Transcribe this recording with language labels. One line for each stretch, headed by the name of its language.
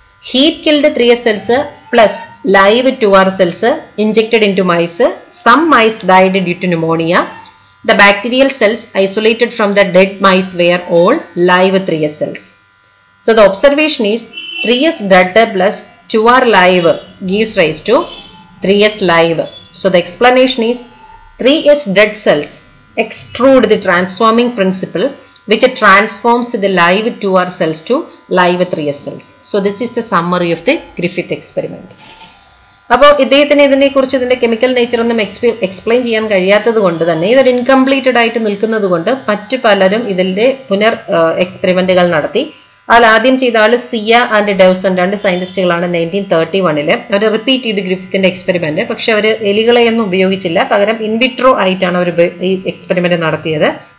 English: Heat killed 3 SLസ് plus live 2 R cells injected in to mice, some mice died due to pneumonia. The bacterial cells isolated from the dead mice were all live 3 SLസ്. So the observation is 3 S dead plus 2 R live gives rise to 3 S live. So the explanation is 3S dead cells extrude the transforming principle, which transforms the live 2R cells to live 3S cells. So this is the summary of the Griffith experiment.
Malayalam: അപ്പോൾ ഇദ്ദേഹത്തിന് ഇതിനെക്കുറിച്ച് ഇതിൻ്റെ chemical നേച്ചറൊന്നും explain ചെയ്യാൻ കഴിയാത്തത് കൊണ്ട് തന്നെ ഇതൊരു incompleted ആയിട്ട് നിൽക്കുന്നത് കൊണ്ട് മറ്റു പലരും ഇതിൻ്റെ പുനർ എക്സ്പെരിമെൻറ്റുകൾ നടത്തി. അതിൽ ആദ്യം ചെയ്ത ആൾ സിയ ആൻഡ് ഡെവ്സൺ രണ്ട് സയൻറ്റിസ്റ്റുകളാണ്. 1931 അവർ റിപ്പീറ്റ് ചെയ്ത് ഗ്രിഫിത്തിൻ്റെ എക്സ്പെരിമെൻറ്റ്, പക്ഷെ അവർ എലികളെയൊന്നും ഉപയോഗിച്ചില്ല, പകരം ഇൻവിട്രോ ആയിട്ടാണ് അവർ ഈ എക്സ്പെരിമെൻ്റ് നടത്തിയത്.